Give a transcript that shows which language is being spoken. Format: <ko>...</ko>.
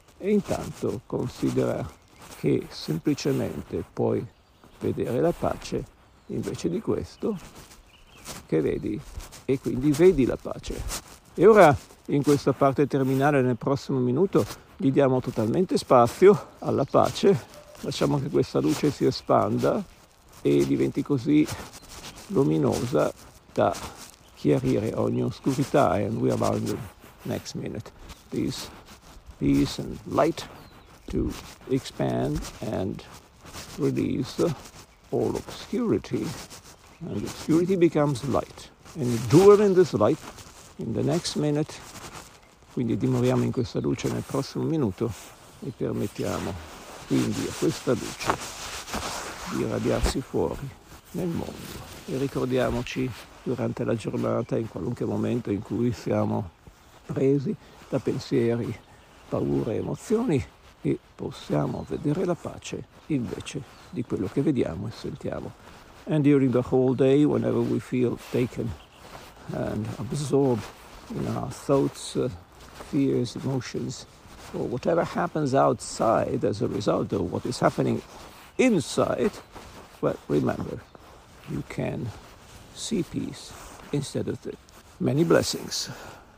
<it>E intanto considera che semplicemente puoi vedere la pace invece di questo che vedi, e quindi vedi la pace. E ora, in questa parte terminale, nel prossimo minuto, gli diamo totalmente spazio alla pace, lasciamo che questa luce si espanda e diventi così luminosa da chiarire ogni oscurità.</it> <en>And we allow the next minute this peace and light to expand and release all obscurity, and obscurity becomes light. And you dwell in this light in the next minute.</en> <it>Quindi dimoriamo in questa luce nel prossimo minuto e permettiamo quindi a questa luce di radiarsi fuori nel mondo. E ricordiamoci durante la giornata, in qualunque momento in cui siamo presi da pensieri, paure, emozioni, che possiamo vedere la pace invece di quello che vediamo e sentiamo.</it> <en>And during the whole day, whenever we feel taken and absorbed in our thoughts, fears, emotions, or whatever happens outside as a result of what is happening inside, well, remember, you can see peace instead of the many blessings.</en>